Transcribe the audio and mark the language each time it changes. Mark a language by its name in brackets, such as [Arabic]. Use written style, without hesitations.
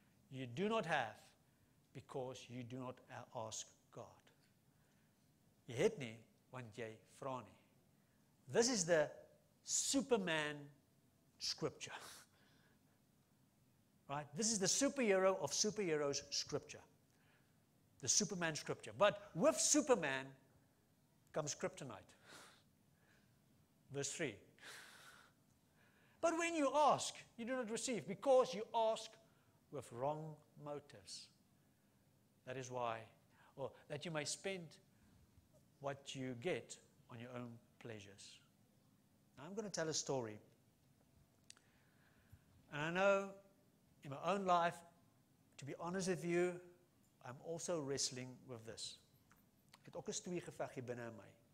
[English] You do not have because you do not ask God. [Afrikaans] You het nie, want jy vra nie. [English] This is the Superman scripture. Right? This is the superhero of superheroes scripture. The Superman scripture. But with Superman comes kryptonite. Verse 3. But when you ask, you do not receive because you ask with wrong motives. That is why, or that you may spend what you get on your own pleasures. Now I'm going to tell a story. And I know in my own life, to be honest with you, I'm also wrestling with this. [Afrikaans] Ek het ook 'n twee gevegie binne in my.